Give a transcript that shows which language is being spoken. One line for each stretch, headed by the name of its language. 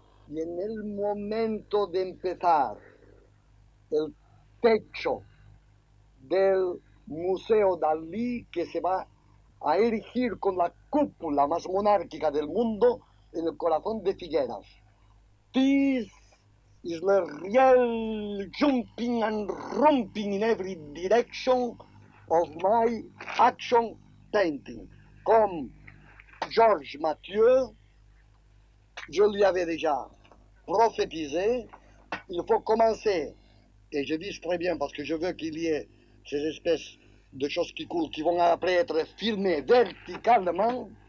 Spanish: Y en el momento de empezar, el techo del Museo Dalí, que se va a erigir con la cúpula más monárquica del mundo en el corazón de Figueras.
English: This is the real jumping and romping in every direction of my action painting.
French: Con Georges Mathieu, je lui avais déjà prophétisé, il faut commencer, et je dis très bien parce que je veux qu'il y ait ces espèces de choses qui coulent, qui vont après être filmées verticalement.